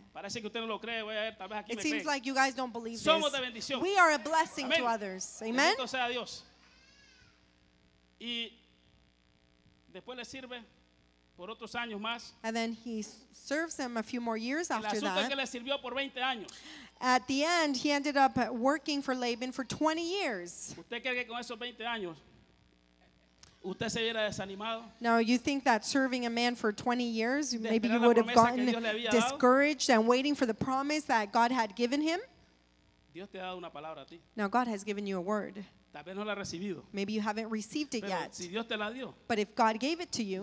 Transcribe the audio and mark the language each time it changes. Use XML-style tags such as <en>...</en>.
<es>Parece que usted no lo cree, voy a ver, tal vez aquí</es> <en>it me seems</en> <es>cree.</es> <en>Like you guys don't believe</en> <es>somos Somos de bendición.</es> <en>We are a blessing.</en> <es>Amén.</es> <en>To others. Amen.</en> <es>Bendito sea Dios. Y después le sirve por otros años más.</es> <en>And then he serves him a few more years after that.</en> <es>El asunto es que le sirvió por 20 años.</es> <en>At the end, he ended up working for Laban for 20 years.</en> <es>¿Usted cree que con esos 20 años usted se hubiera desanimado?</es> <en>Now, you think that serving a man for 20 years, maybe you would have gotten discouraged and waiting for the promise that God had given him?</en> <es>Dios te ha dado una palabra a ti.</es> <en>Now, God has given you a word. Maybe you haven't received it</en> <es>pero</es> <en>yet.</en> <es>Si Dios te la dio,</es> <en>but if God gave it to you,</en>